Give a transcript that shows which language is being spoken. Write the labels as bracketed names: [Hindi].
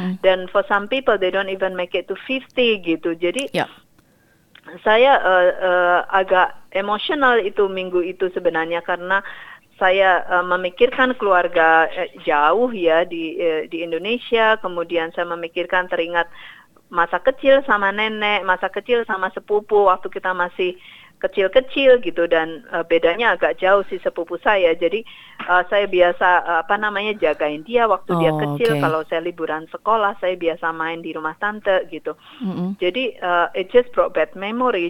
[English] Dan for some people they don't even make it to 50 gitu. [Indonesian] Jadi saya agak emosional itu minggu itu sebenarnya karena saya memikirkan keluarga jauh ya di Indonesia. Kemudian saya memikirkan teringat masa kecil sama nenek, masa kecil sama sepupu waktu kita masih kecil-kecil gitu. Dan bedanya agak jauh sih sepupu saya. Jadi saya biasa jagain dia waktu dia kecil. Okay. Kalau saya liburan sekolah saya biasa main di rumah tante gitu. Mm-hmm. [English] Jadi it just brought back memory.